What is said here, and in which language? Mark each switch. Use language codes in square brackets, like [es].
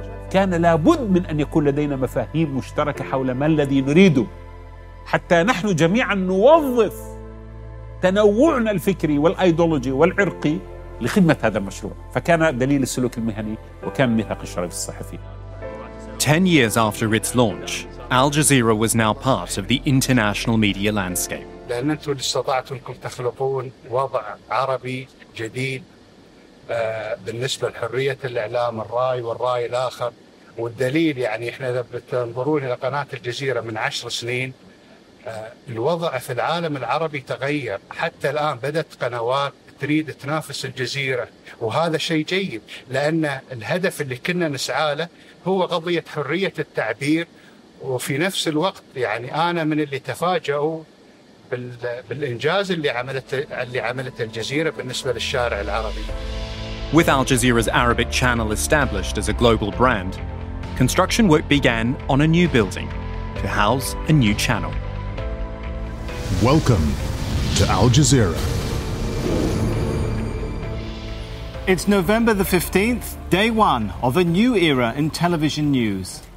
[ar] كان لابد من أن يكون لدينا مفاهيم مشتركة حول ما الذي نريده حتى نحن جميعا نوظف تنوعنا الفكري والأيديولوجي والعرقي لخدمة هذا المشروع. فكان دليل السلوك المهني وكان ميثاق الشرف الصحفي. [en] 10 years after its launch, Al Jazeera was now part of the international media landscape. [ar] لأن أنتم استطعتم أنكم تخلقون وضع عربي جديد بالنسبة لحرية الإعلام الرأي والرأي الآخر. والدليل يعني إحنا إذا بتنظرون إلى قناة الجزيرة من 10 سنين الوضع في العالم العربي تغير. حتى الآن بدأت قنوات تريد تنافس الجزيرة، وهذا شيء جيد لأن الهدف اللي كنا نسعى له هو قضية حرية التعبير. وفي نفس الوقت يعني أنا من اللي تفاجأوا بالإنجاز اللي عملت الجزيرة بالنسبة للشارع العربي. [en] With Al Jazeera's Arabic channel established as a global brand, construction work began on a new building to house a new channel. Welcome to Al Jazeera. It's November the 15th, day one of a new era in television news.